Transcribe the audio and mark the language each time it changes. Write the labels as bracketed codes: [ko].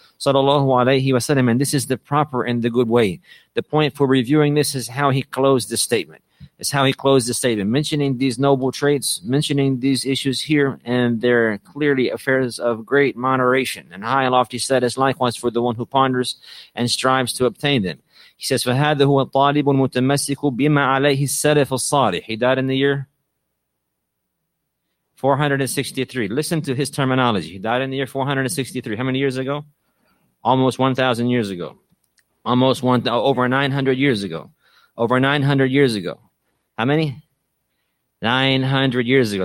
[en] sallallahu alayhi wa sallam, and this is the proper and the good way. The point for reviewing this is how he closed the statement. It's how he closed the statement, mentioning these noble traits, mentioning these issues here, and they're clearly affairs of great moderation and high and lofty status, likewise for the one who ponders and strives to obtain them. He says, [ar] فَهَذَا هُوَ الطَّالِبُ الْمُتَمَسِّكُ بِمَا عَلَيْهِ السَّلَفُ الصَّالِحِ. [en] He died in the year 463. Listen to his terminology. He died in the year 463. How many years ago? Almost 1,000 years ago. Over 900 years ago. Over 900 years ago. How many? 900 years ago.